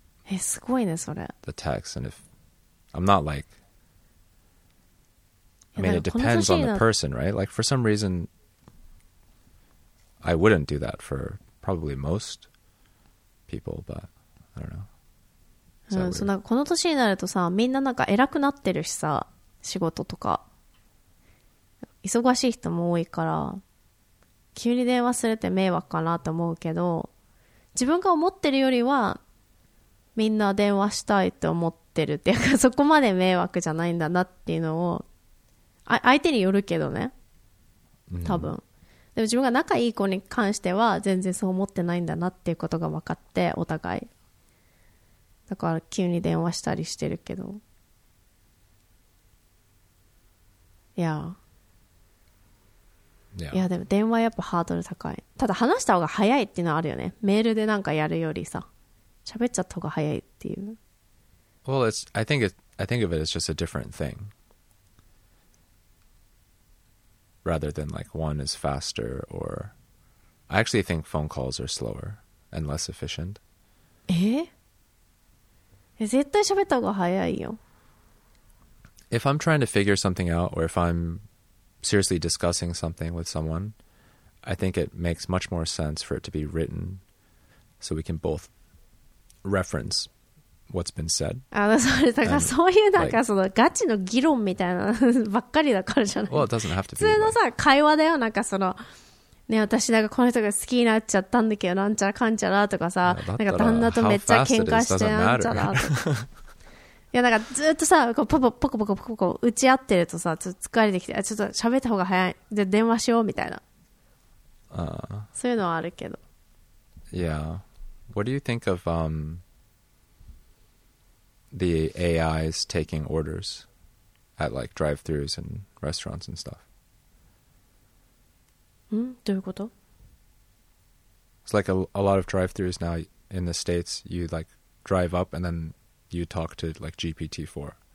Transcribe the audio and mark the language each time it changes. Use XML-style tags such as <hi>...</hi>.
<ja>え、すごいね、それ。</ja> <en>The text, and if I'm not like. I mean, it depends on the person, right? Like for some reason, I wouldn't do that for probably most people, but I don't know.</en> <ja>そう、なんかこの年になるとさ、みんななんか偉くなってるしさ、仕事とか忙しい人も多いから。急に電話するって迷惑かなと思うけど自分が思ってるよりはみんな電話したいと思ってるっていうかそこまで迷惑じゃないんだなっていうのを相手によるけどね多分、でも自分が仲いい子に関しては全然そう思ってないんだなっていうことが分かってお互いだから急に電話したりしてるけどいや Yeah. いやでも電話やっぱハードル高いただ話した方が早いっていうのはあるよねメールでなんかやるよりさ喋っちゃった方が早いっていう</ja> <en>Well, I think of it as just a different thing rather than like one is faster or I actually think phone calls are slower and less efficient.</en> <ja>え? 絶対喋った方が早いよ。</ja> <en>If I'm trying to figure something out or if I'm seriously discussing something with someone, I think it makes much more sense for it to be written so we can both reference what's been said. Well, it doesn't have to be.</en> <ja>普通のさ、会話だよ。なんかそのね、私なんかこの人が好きになっちゃったんだけど、なんちゃらかんちゃらとかさ、なんか旦那とめっちゃ喧嘩してなんちゃらとか。いや、なんかずっとさ、こうポポポコポコポコ打ち合ってるとさ、ちょっと疲れてきて、ちょっと喋った方が早い。じゃあ電話しようみたいな。そういうのはあるけど。 Yeah.</ja> <en>What do you think of the AIs taking orders at like drive-thrus and restaurants and stuff?</en> <ja>どういうこと?</ja> <en>It's like a lot of drive-thrus now in the States. You like drive up and then you talk to like GPT-4.</en>